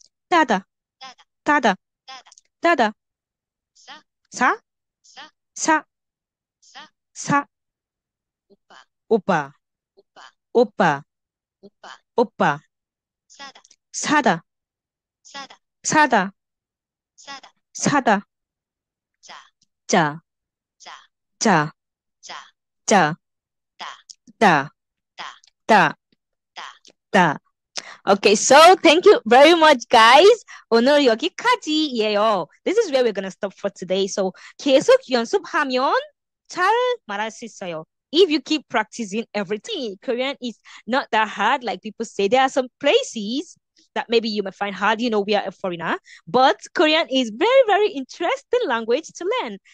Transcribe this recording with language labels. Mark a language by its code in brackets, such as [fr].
[en] Dada, dada, dada, sa, sa, sa, opa, opa, opa, sada, sada, sada, ja, ja, ja, da, da, da. Okay, so thank you very much, guys. [ko] 오늘 여기까지예요. [en] This is where we're gonna stop for today. [ko] So 계속 연습하면 잘 말할 수 있어요. [en] If you keep practicing everything, Korean is not that hard, like people say. There are some places that maybe you might find hard, you know, we are a foreigner. But Korean is very, very interesting language to learn.